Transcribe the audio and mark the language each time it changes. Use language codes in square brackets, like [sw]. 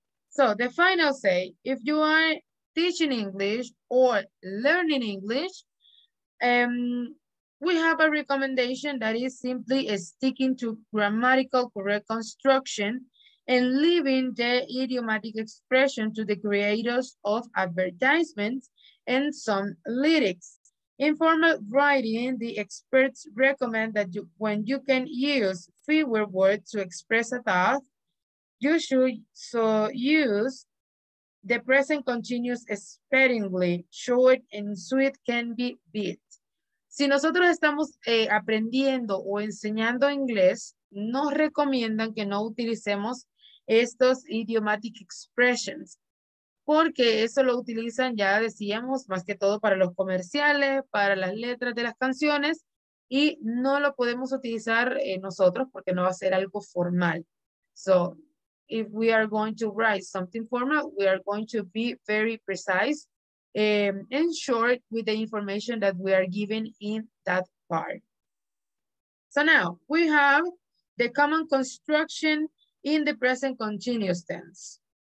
[en] So the final say, if you are teaching English or learning English, we have a recommendation that is simply sticking to grammatical correct construction and leaving the idiomatic expression to the creators of advertisements and some lyrics. In formal writing, the experts recommend that when you can use fewer words to express a thought, you should so use the present continuous sparingly. Short and sweet can be beat. [es] Si nosotros estamos aprendiendo o enseñando inglés, nos recomiendan que no utilicemos estos idiomatic expressions, porque eso lo utilizan, ya decíamos, más que todo para los comerciales, para las letras de las canciones, y no lo podemos utilizar nosotros porque no va a ser algo formal. [en] So, if we are going to write something formal, we are going to be very precise and short with the information that we are given in that part. So now, we have the common construction in the present continuous tense.